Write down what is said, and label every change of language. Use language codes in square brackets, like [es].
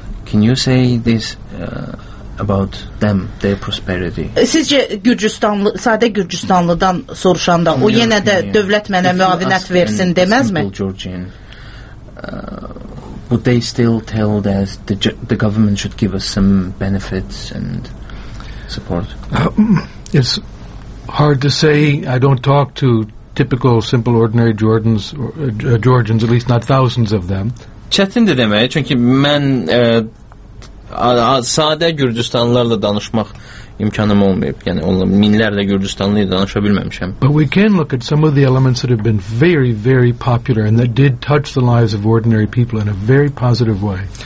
[en] Can you say this about them, their prosperity? [az] Sizcə Gürcüstanlı, sadə Gürcüstanlıdan soruşanda o yenə də dövlət mənə müavinət versin deməz mi? [en] Georgian, would they still tell that the government should give us some benefits and support? It's hard to say. I don't talk to typical, simple, ordinary Georgians, at least not thousands of them. [az] Çətindir deməyə, çünki mən sadə Gürcüstanlılarla danışmaq imkanım olmayıb. Yəni, minlərlə Gürcüstanlıya danışa bilməmişəm. [en] But we can look at some of the elements that have been very, very popular and that did touch the lives of ordinary people in a very positive way.